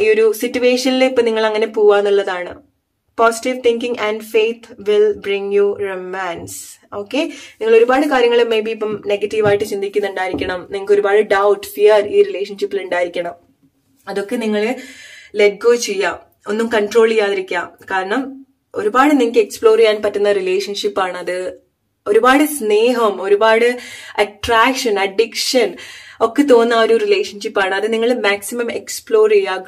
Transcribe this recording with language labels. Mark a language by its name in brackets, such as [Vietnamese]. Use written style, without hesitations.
[Malayalam] ഈ ഒരു സിറ്റുവേഷനിൽ ഇപ്പൊ നിങ്ങൾ അങ്ങനെ പോവാന്നുള്ളതാണ്. [English] Positive thinking and faith will bring you romance. Okay? [Malayalam] നിങ്ങൾ ഒരുപാട് കാര്യങ്ങൾ മേ ബി ഇപ്പം നെഗറ്റീവ് ആയിട്ട് ചിന്തിക്കുന്നുണ്ടായിരിക്കണം. നിങ്ങൾക്ക് ഒരുപാട് ഡൗട്ട്, ഫിയർ ഈ റിലേഷൻഷിപ്പിൽ ഉണ്ടായിരിക്കണം. അതൊക്കെ നിങ്ങൾ ലെറ്റ് ഗോ ചെയ്യാം, ഒന്നും കൺട്രോൾ ചെയ്യാതിരിക്കുക. കാരണം ഒരുപാട് നിങ്ങൾക്ക് എക്സ്പ്ലോർ ചെയ്യാൻ പറ്റുന്ന റിലേഷൻഷിപ്പ് ആണ് അത്. ഒരുപാട് സ്നേഹം, ഒരുപാട് അട്രാക്ഷൻ, അഡിക്ഷൻ ഒക്കെ തോന്നുന്ന ആ ഒരു റിലേഷൻഷിപ്പ് ആണ്. അത് നിങ്ങൾ മാക്സിമം എക്സ്പ്ലോർ ചെയ്യുക.